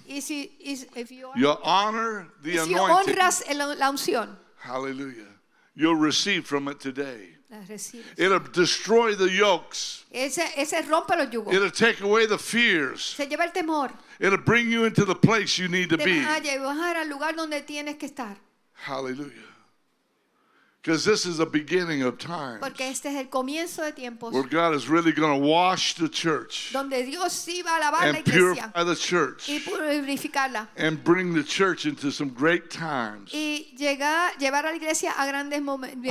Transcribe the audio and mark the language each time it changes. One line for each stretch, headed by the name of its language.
English: if you honor the anointing, hallelujah, you'll receive from it today.
Spanish: La
English: it'll destroy the yokes.
Spanish: Ese rompe los yugos.
English: It'll take away the fears.
Spanish: Se lleva el temor.
English: It'll bring you into the place you need to
Spanish: te
English: be.
Spanish: Vas a llevar al lugar donde tienes que estar.
English: Hallelujah. Because this is the beginning of times.
Spanish: Porque este es el comienzo de tiempos.
English: Where God is really going to wash the church.
Spanish: Donde Dios sí va a lavar
English: and
Spanish: la iglesia.
English: Purify the church.
Spanish: Y purificarla.
English: And bring the church into some great times.
Spanish: Y llevar a la iglesia a grandes momentos.